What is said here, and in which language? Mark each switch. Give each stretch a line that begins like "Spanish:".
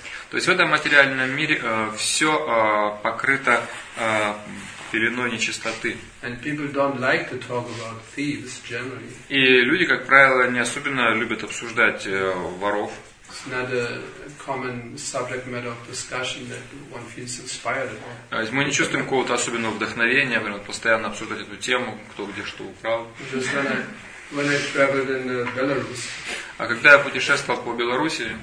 Russian: То есть в этом материальном мире все покрыто пеленой нечистоты. И люди, как правило, не особенно любят обсуждать воров.
English: Not a common subject matter of discussion that one feels inspired about.
Russian: Мы не чувствуем какого-то особенного вдохновения, например, постоянно обсуждать эту тему, кто где что украл.
English: When I traveled in Belarus.
Russian: А когда я путешествовал по Беларуси,